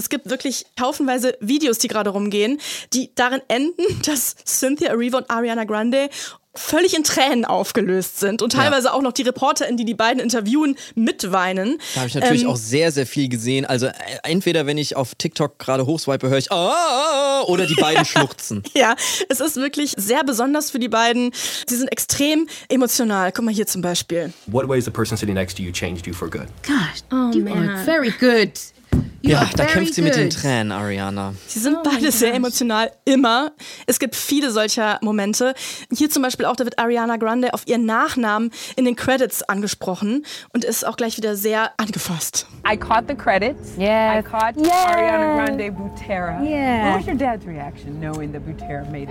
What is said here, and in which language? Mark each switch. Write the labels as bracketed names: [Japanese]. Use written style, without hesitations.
[German] Und es gibt wirklich haufenweise Videos, die gerade rumgehen, die darin enden, dass Cynthia Erivo und Ariana Grande völlig in Tränen aufgelöst sind und teilweise auch noch die ReporterInnen, die die beiden interviewen, mitweinen. Da habe ich natürlich auch sehr, sehr viel gesehen. Also entweder, wenn ich auf TikTok gerade hochswipe, höre ich oder die beiden schluchzen. Ja, es ist wirklich sehr besonders für die beiden. Sie sind extrem emotional. Guck mal hier zum Beispiel. [English] What way has the person sitting next to you changed you for good? Gosh, you are very good. [German] Ja, da kämpft sie mit den Tränen, Ariana. Sie sind beide sehr emotional, immer. Es gibt viele solcher Momente. Hier zum Beispiel auch, da wird Ariana Grande auf ihren Nachnamen in den Credits angesprochen und ist auch gleich wieder sehr angefasst. [English] I caught the credits. Yeah. I caught Ariana Grande Butera. Yeah. What was your dad's reaction knowing that Butera made it?